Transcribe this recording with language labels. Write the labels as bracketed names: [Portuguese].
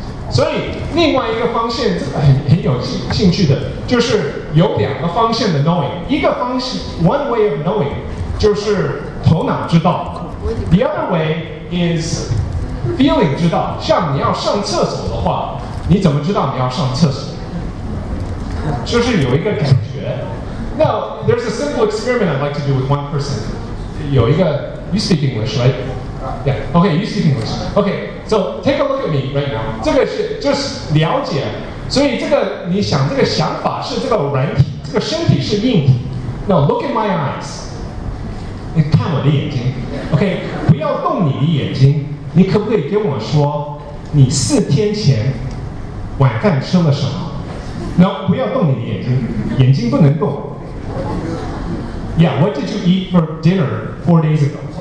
[Chinese] 所以另外一个方向，这个很有兴趣的，就是有两个方向的 knowing， 一个方向 [English] one way of knowing [Chinese] 就是头脑知道， [English] the other way is feeling [Chinese] 知道。像你要上厕所的话，你怎么知道你要上厕所？就是有一个感觉。 [English] Now there's a simple experiment I'd like to do with one person. [Chinese] 有一个 [English] You speak English, right? Yeah, okay, you speak English. Okay, so take a look at me right now. [Chinese] 这个是就是了解，所以这个你想这个想法是这个软体，这个身体是硬体。 [English] Now look at my eyes. [Chinese] 你看我的眼睛。 Okay, 不要动你的眼睛，你可不可以跟我说你四天前晚饭吃了什么？ No, 不要动你的眼睛，眼睛不能动。 [English] Yeah, what did you eat for dinner 4 days ago?